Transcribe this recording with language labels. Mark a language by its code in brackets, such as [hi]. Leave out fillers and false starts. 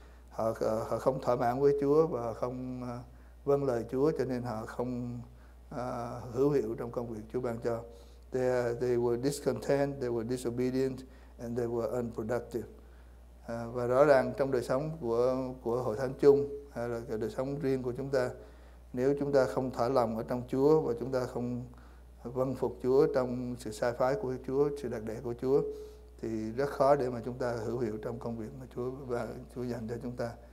[vi] Họ không thỏa mãn với Chúa và không vâng lời Chúa, cho nên họ không hữu hiệu trong công việc Chúa ban cho. [en] They were discontent, they were disobedient, and they were unproductive. [vi] Và rõ ràng trong đời sống của Hội Thánh chung hay là đời sống riêng của chúng ta, nếu chúng ta không thỏa lòng ở trong Chúa và chúng ta không vâng phục Chúa trong sự sai phái của Chúa, sự đặc đệ của Chúa, thì rất khó để mà chúng ta hữu hiệu trong công việc mà Chúa dành cho chúng ta.